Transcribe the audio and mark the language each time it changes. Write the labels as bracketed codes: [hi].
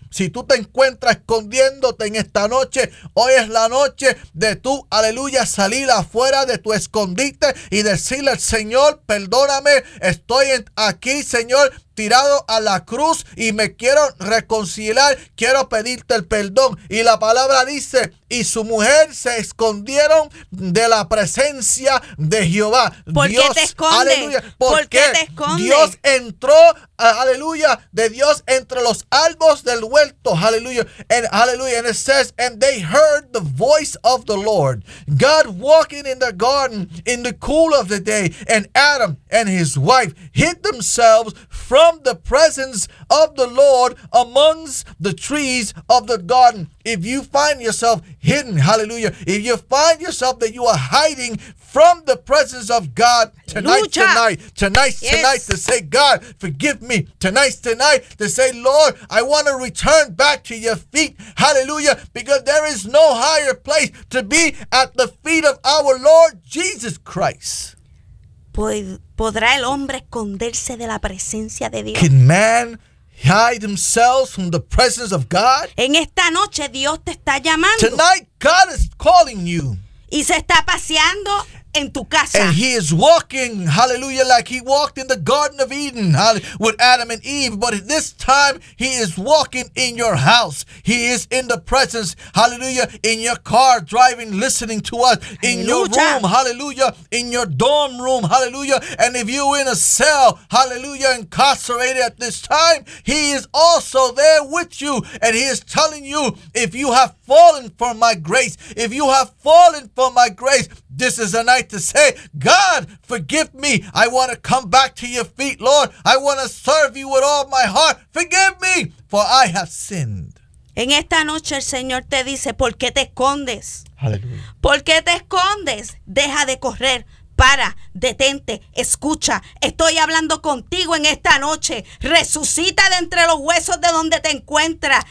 [es] Si tú te encuentras escondiéndote en esta noche, hoy es la noche de tú, aleluya, salir afuera de tu escondite y decirle al Señor, perdóname, estoy aquí, Señor, tirado a la cruz y me quiero reconciliar, quiero pedirte el perdón. Y la palabra dice, y su mujer se escondieron de la presencia de Jehová. ¿Por Dios, qué te esconde? Aleluya. ¿Por qué te esconde? Dios entró, aleluya, de Dios entre los árboles del huerto. Aleluya. And aleluya. [en] And it says, and they heard the voice of the Lord. God walking in the garden in the cool of the day. And Adam and his wife hid themselves from from the presence of the Lord amongst the trees of the garden. If you find yourself hidden, hallelujah, if you find yourself that you are hiding from the presence of God tonight, to say, God, forgive me. Tonight, to say, Lord, I want to return back to your feet. Hallelujah. Because there is no higher place to be at the feet of our Lord Jesus Christ. [es] ¿Podrá el hombre esconderse de la presencia de Dios? [en] Can man hide themselves from the presence of God? [es] En esta noche Dios te está llamando. [en] Tonight God is calling you. [es] Y se está paseando en tu casa. [en] And he is walking, hallelujah, like he walked in the Garden of Eden with Adam and Eve. But this time he is walking in your house. He is in the presence, hallelujah, in your car, driving, listening to us, in your room, hallelujah, in your dorm room, hallelujah. And if you're in a cell, hallelujah, incarcerated at this time, he is also there with you. And he is telling you, if you have fallen from my grace, if you have fallen from my grace, this is a night to say, God, forgive me. I want to come back to your feet, Lord. I want to serve you with all my heart. Forgive me, for I have sinned. [es] En esta noche el Señor te dice, ¿por qué te escondes? [en] Hallelujah. [es] ¿Por qué te escondes? Deja de correr. Para, detente, escucha. Estoy hablando contigo en esta noche. Resucita de entre los huesos de donde te encuentras.